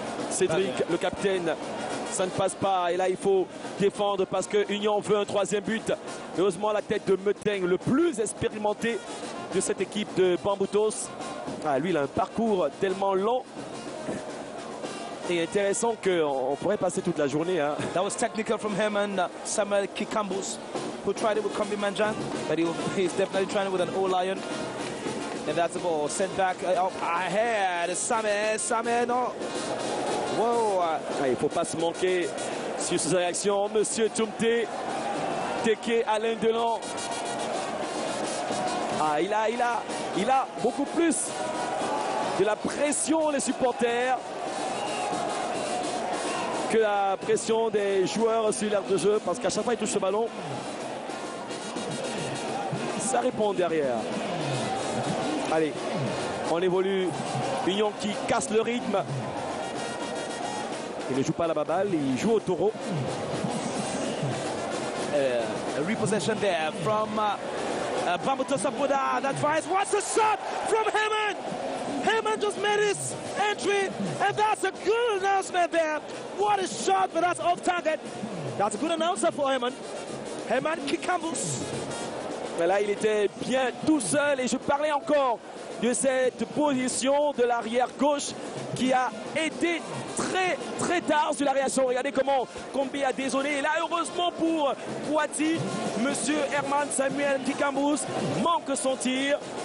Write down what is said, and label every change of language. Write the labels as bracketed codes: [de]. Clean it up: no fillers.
[fr] Cédric, le capitaine, ça ne passe pas. Et là, il faut défendre parce que Union veut un troisième but. Heureusement, la tête de Meteng, le plus expérimenté de cette équipe de Bambutos. Ah, lui, il a un parcours tellement long et intéressant qu'on pourrait passer toute la journée. Hein. [en] That was technical from him and Samuel Kikambos, who tried it with Kombi Mandjan, but he's definitely trying it with an old lion. And that's the ball sent back ahead. Same, no. Whoa. [fr] Ah, il ne faut pas se manquer sur ses réactions. Monsieur Tumte, Teke Alain Delon. Ah, il a beaucoup plus de la pression, les supporters, que la pression des joueurs sur l'air de jeu, parce qu'à chaque fois il touche le ballon, ça répond derrière. Allez, on évolue. Union qui casse le rythme. Il ne joue pas à la baballe, il joue au taureau. [en] Repossession there from Bambutos of Buda. That fires. What's the shot from Heyman? Heyman just made his entry, and that's a good announcement there. What a shot, but that's off target. That's a good announcer for Heyman. Heyman Kikambos. [fr] Là, il était bien tout seul et je parlais encore de cette position de l'arrière gauche qui a été très très tard sur la réaction. Regardez comment Kombi a dézoné. Et là, heureusement pour Poiti, monsieur Herman Samuel Kikambos manque son tir.